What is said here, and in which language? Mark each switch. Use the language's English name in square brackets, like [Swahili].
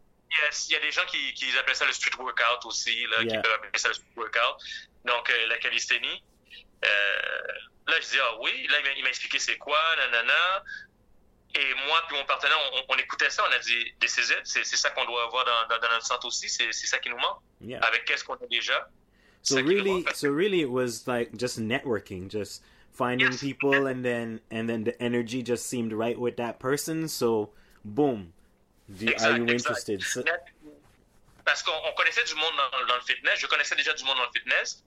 [French] Yes, il y a des gens qui appellent ça le street workout aussi, là, qui peuvent appeler ça le street workout. Donc, la calisthénie. Là, je disais, ah oui, là, il m'a expliqué c'est quoi, nanana. Et moi, puis mon partenaire, on écoutait ça, on a dit, des CZ, c'est ça qu'on doit avoir dans notre centre aussi, c'est ça qui nous manque. [English] Yeah. [French] Avec qu'est-ce qu'on a déjà. [English] So really, it was like just networking, just finding people, and then the energy just seemed right with that person, so boom. Are you interested? So... [French] Parce qu'on connaissait du monde dans le fitness, je connaissais déjà du monde dans le fitness.